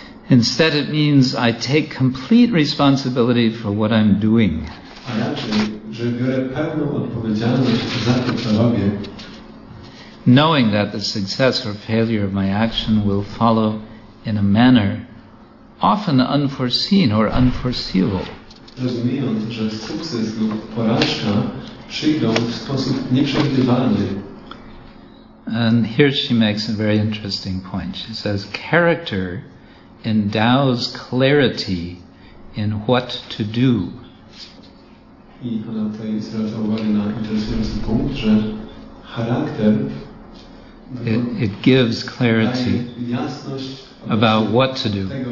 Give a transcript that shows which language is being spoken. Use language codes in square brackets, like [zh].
[en] Instead, it means I take complete responsibility for what I'm doing. [pl] A raczej, że biorę pełną odpowiedzialność za to, co robię. [en] Knowing that the success or failure of my action will follow in a manner often unforeseen or unforeseeable. [pl] Rozumiejąc, że sukces lub porażka przyjdą w sposób nieprzewidywalny. [en] And here she makes a very interesting point. She says, character endows clarity in what to do. [pl] I ona tutaj zwraca uwagę na interesujący punkt, że charakter. [en] It gives clarity about what to do.